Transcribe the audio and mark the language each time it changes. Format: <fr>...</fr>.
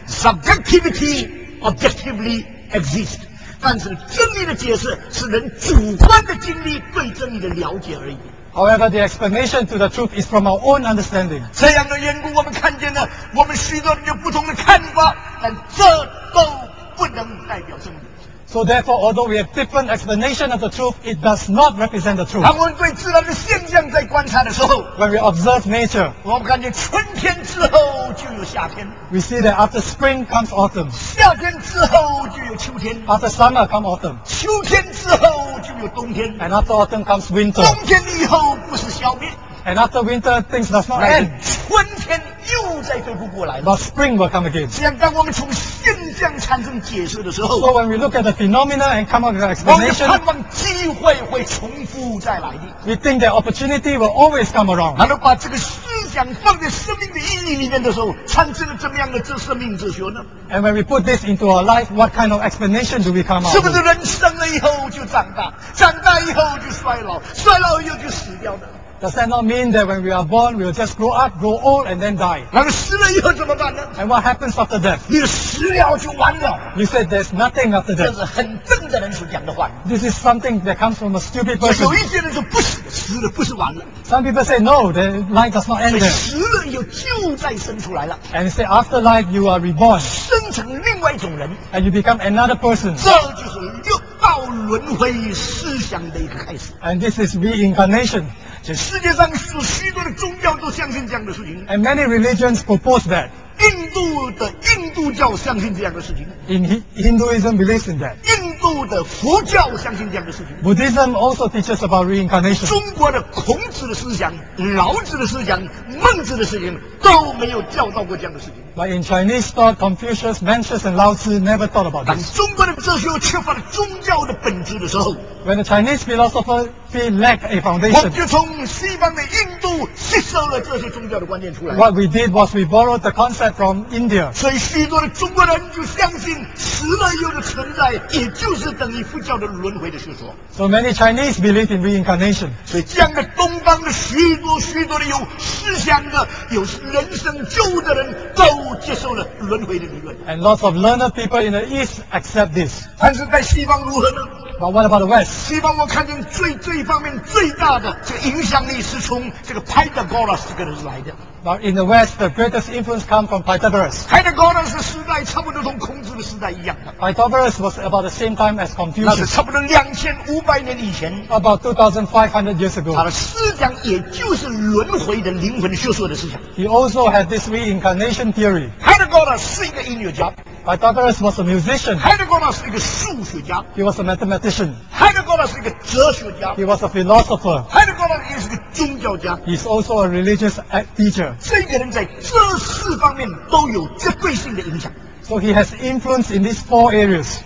<en>Subjectivity objectively exists.</en> <zh>但是真理的解释是人主观的经历对真理的了解而已。</zh> <en>However, the explanation to the truth is from our own understanding.</en> <zh>这样的缘故，我们看见了我们许多人有不同的看法，但这都不能代表真理。</zh> <en>So therefore, although we have different explanation of the truth, it does not represent the truth.</en> <zh>当我们对自然的现象在观察的时候</zh> <en>，when we observe nature,</en> <zh>我们看见春天之后就有夏天。</zh> <en>We see that after spring comes autumn.</en> <zh>夏天之后就有秋天。</zh> <en>After summer comes autumn.</en> <zh>秋天之后就有冬天。</zh> <en>And after autumn comes winter.</en> <zh>冬天以后不是消灭。</zh> <en>And after winter, things does not end.</en> <zh>春天又再恢复过来了。</zh> <en>But spring will come again.</en> <zh>这样，当我们从现象产生解释的时候</zh> <en>，So when we look at the phenomena and come up with an explanation,</en> <zh>我们盼望机会会重复再来的。</zh> <en>We think that opportunity will always come around.</en> <zh>然后把这个思想放在生命的意义里面的时候，产生了怎么样的这生命哲学呢</zh> <en>？And when we put this into our life, what kind of explanation do we come up?</en> <zh>是不是人生了以后就长大，长大以后就衰老，衰老以后就死掉呢？</zh> <en>Does that not mean that when we are born, we will just grow up, grow old, and then die?</en> <zh>那死了以后怎么办呢</zh> <en>？And what happens after death?</en> <zh>你死了就完了。</zh> <en>You said there's nothing after death.</en> <zh>这是很笨的人所讲的话。</zh> <en>This is something that comes from a stupid person.</en> <zh>有一些人说不死，死了不是完了。</zh> <en>Some people say no, the life does not end there.</en> <zh>死了又就再生出来了。</zh> <en>And say after life you are reborn.</en> <zh>生成另外一种人。</zh> <en>And you become another person.</en> <zh>这就是六道轮回思想的一个开始。</zh> <en>And this is reincarnation.</en> <zh>这世界上有许多的宗教都相信这样的事情。</zh> <en>And many religions propose that.</en> <zh>印度的印度教相信这样的事情。</zh> <en>In Hinduism believes in that.</en> <zh>印度的佛教相信这样的事情。</zh> <en>Buddhism also teaches about reincarnation.</en> <zh>中国的孔子的思想、老子的思想、孟子的思想都没有教导过这样的事情。</zh> <en>But in Chinese thought, Confucius, Mencius, and Lao Tzu never thought about this.</en> <zh>当中国的哲学缺乏了宗教的本质的时候</zh> <en>，When the Chinese philosopher lack a foundation,</en> <zh>我就从西方的印度吸收了这些宗教的观念出来。</zh> <en>What we did was we borrowed the concept from India.</en> <zh>所以许多的中国人就相信死了又的存在，也就是等于佛教的轮回的学说。</zh> <en>So many Chinese believe in reincarnation.</en> <zh>所以这样的东方的许多许多的有思想的、有人生觉悟的人都。接受了轮回的理论。</zh> <en>And lots of learned people in the East accept this.</en> <zh>但是在西方如何呢</zh> <en>？But what about the West?</en> <zh>西方我看见最方面最大的这个影响力是从这个 Pythagoras 这个人来的。</zh> <en>But in the West, the greatest influence comes from Pythagoras.</en> <zh>Pythagoras 的时代差不多同孔子的时代一样的。</zh> <en>Pythagoras was about the same time as Confucius.</en> <zh>那是差不多2500年以前。</zh> <en>About 2500 years ago.</en> <zh>他的思想也就是轮回的灵魂学说的思想。</zh> <en>He also had this reincarnation theory.</en> <zh>Pythagoras 是一个音乐家。</zh> <en>Pythagoras was a musician.</en> <zh>Pythagoras 是一个数学家。</zh> <en>He was a mathematician.</en> <zh>Pythagoras 是一个哲学家。</zh> <en>He was a philosopher.</en> <zh>Pythagoras 也是一个宗教家。</zh> <en>He's also a religious teacher.</en> <zh>这个人在这四方面都有绝对性的影响。</zh> <en>So he has influence in these four areas.</en>